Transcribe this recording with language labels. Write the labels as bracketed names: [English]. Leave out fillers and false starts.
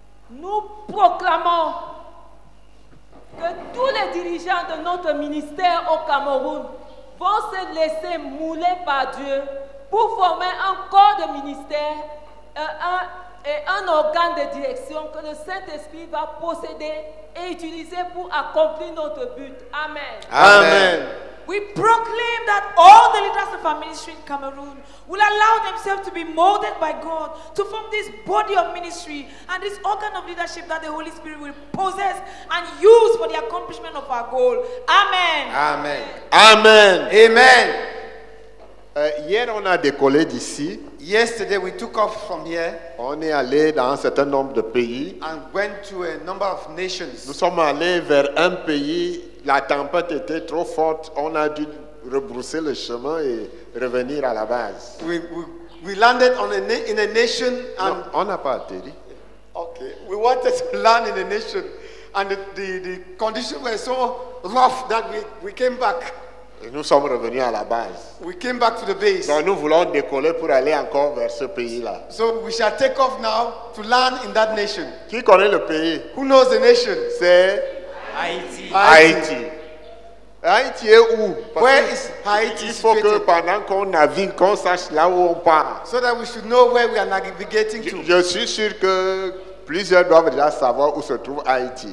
[French] Nous proclamons que tous les dirigeants de notre ministère au Cameroun vont se laisser mouler par Dieu pour former un corps de ministère et un organe de direction que le Saint-Esprit va posséder et utiliser pour accomplir notre but. Amen. Amen. [English] We proclaim that all the leaders of our ministry in Cameroon will allow themselves to be molded by God to form this body of ministry and this organ of leadership that the Holy Spirit will possess and use for the accomplishment of our goal. Amen. Amen. Amen. Amen. [French] Hier, on a décollé d'ici. [English] Yesterday, we took off from here. [French] On est allé dans un certain nombre de pays. [English] And went to a number of nations. [French] Nous sommes allés vers un pays. La tempête était trop forte. On a dû rebrousser le chemin et revenir à la base. [English] We landed on a in a nation. And [French] non, on n'a pas atterri. [English] Okay. We wanted to land in a nation, and the conditions were so rough that we came back. [French] Et nous sommes revenus à la base. [English] We came back to the base. [French] Donc nous voulons décoller pour aller encore vers ce pays-là. [English] So we shall take off now to land in that nation. [French] Qui connaît le pays? [English] Who knows the nation? [French] C'est Haïti. Haïti. Haïti est où? Parce [English] where is Haïti? [French] Il faut que pendant qu'on navigue, qu'on sache là où on part. [English] So that we should know where we are navigating to. [French] Je suis sûr que plusieurs doivent déjà savoir où se trouve Haïti.